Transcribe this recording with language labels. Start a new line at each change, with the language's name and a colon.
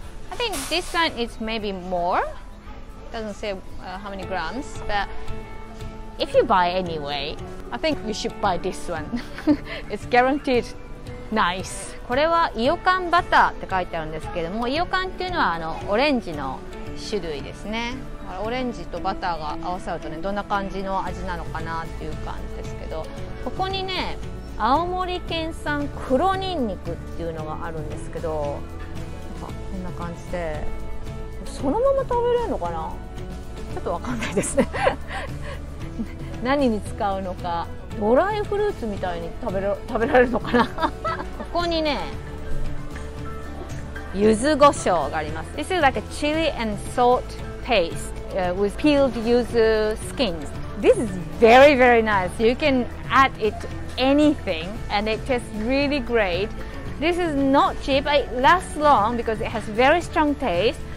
English: I think this one is maybe more, doesn't say how many grams, but if you buy anyway, I think you should buy this one. It's guaranteedNice.
Japanese: これはイオカンバターって書いてあるんですけども、イオカンっていうのはオレンジの種類ですね。オレンジとバターが合わさるとね、どんな感じの味なのかなっていう感じですけど、ここにね青森県産黒ニンニクっていうのがあるんですけど、こんな感じでそのまま食べれるのかな、ちょっとわかんないですね何に使うのか、ドライフルーツみたいに食べられるのかなここにね柚子胡椒があります。
English: This is like a chili and salt paste with peeled yuzu skins. This is very very nice. You can add it to anything and it tastes really great. This is not cheap. It lasts long because it has very strong taste.